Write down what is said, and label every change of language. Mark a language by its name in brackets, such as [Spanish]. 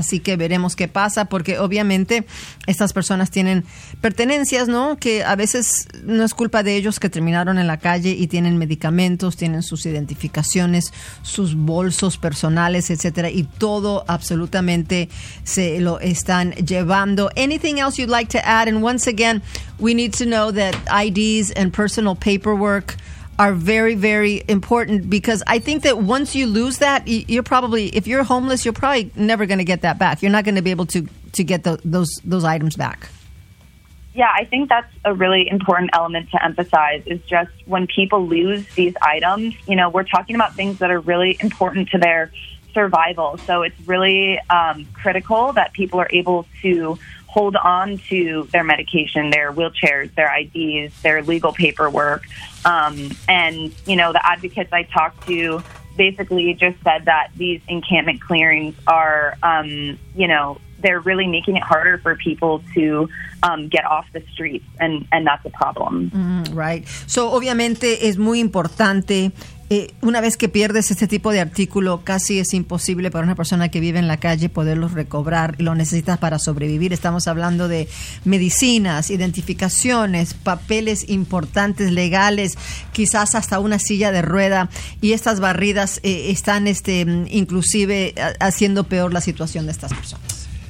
[Spanish] así que veremos qué pasa, porque obviamente estas personas tienen pertenencias, ¿no? Que a veces no es culpa de ellos que terminaron en la calle y tienen medicamentos, tienen sus identificaciones, sus bolsos personales, etcétera, y todo absolutamente se lo están llevando. [English] Anything else you'd like to add? And once again, we need to know that IDs and personal paperwork are very, very important, because I think that once you lose that, you're probably, if you're homeless, you're probably never going to get that back. You're not going to be able to get those items back. Yeah, I think that's a really important element to emphasize, is just when people lose these items, you know, we're talking about things that are really important to their survival. So it's really critical that people are able to hold on to their medication, their wheelchairs, their IDs, their legal paperwork. And, you know, the advocates I talked to basically just said that these encampment clearings are, you know, they're really making it harder for people to get off the streets, and that's a problem. [Spanish] Mm, [English] right. So, [Spanish] obviamente, es muy importante. Una vez que pierdes este tipo de artículo, casi es imposible para una persona que vive en la calle poderlos recobrar, y lo necesitas para sobrevivir. Estamos hablando de medicinas, identificaciones, papeles importantes, legales, quizás hasta una silla de rueda, y estas barridas están inclusive haciendo peor la situación de estas personas.